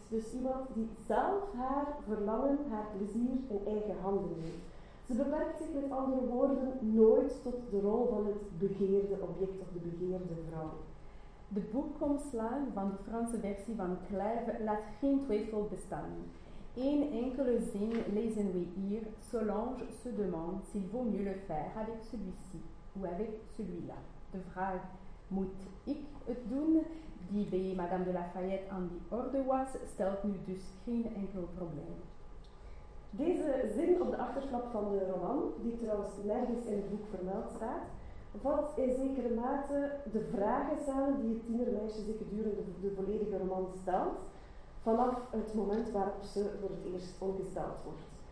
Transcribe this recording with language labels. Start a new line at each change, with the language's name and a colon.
Dutch: Dus iemand die zelf haar verlangen, haar plezier in eigen handen neemt. Ze beperkt zich met andere woorden nooit tot de rol van het begeerde object of de begeerde vrouw. De boekomslaan van de Franse versie van Clive laat geen twijfel bestaan. Eén enkele zin lezen we hier:
French: Solange se demande s'il vaut mieux le faire avec celui-ci ou avec celui-là.
Dutch: De vraag, moet ik het doen? Die bij Madame de Lafayette aan die orde was, stelt nu dus geen enkel probleem. Deze zin op de achterflap van de roman, die trouwens nergens in het boek vermeld staat, valt in zekere mate de vragen samen die het tienermeisje zich gedurende de volledige roman stelt, vanaf het moment waarop ze voor het eerst ongesteld wordt.